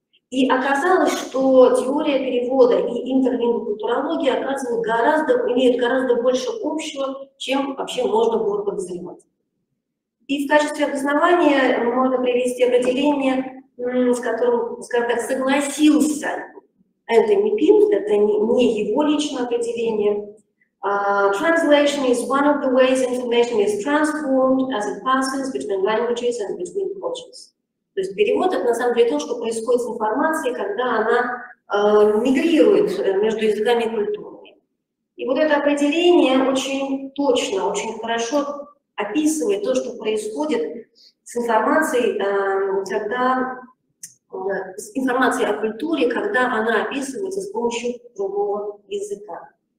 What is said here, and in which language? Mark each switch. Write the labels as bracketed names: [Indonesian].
[Russian] И оказалось, что теория перевода и интерлингвокультурология оказывают гораздо, имеют гораздо больше общего, чем вообще можно было подозревать. И в качестве обоснования можно привести определение, с которым, скажем так, согласился Энтони Пинт, это не его личное определение. [English] Translation is one of the ways information is transformed as it passes between languages and between cultures. [Russian] То есть перевод это на самом деле то, что происходит с информацией, когда она мигрирует между языками и культурами. И вот это определение очень точно, очень хорошо описывает то, что происходит с информацией, когда с информацией о культуре, когда она описывается с помощью другого языка.